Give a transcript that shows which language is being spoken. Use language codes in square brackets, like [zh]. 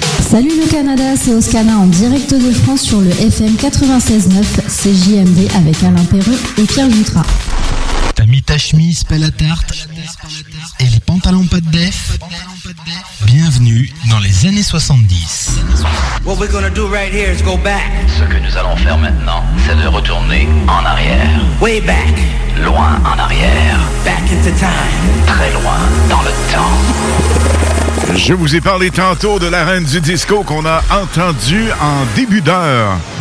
[fr] Salut le Canada, c'est Oscana en direct de France sur le FM 96.9 CJMD avec Alain Perreux et Pierre Jutra. T'as mis ta chemise, pas la tarte, et les pantalons pas de def. Bienvenue dans les années 70. [en] What we're gonna do right here is go back. [fr] Ce que nous allons faire maintenant, c'est de retourner en arrière. [en] Way back. [fr] Loin en arrière. [en] Back into time. [fr] Très loin dans le temps. Je vous ai parlé tantôt de la reine du disco qu'on a entendue en début d'heure.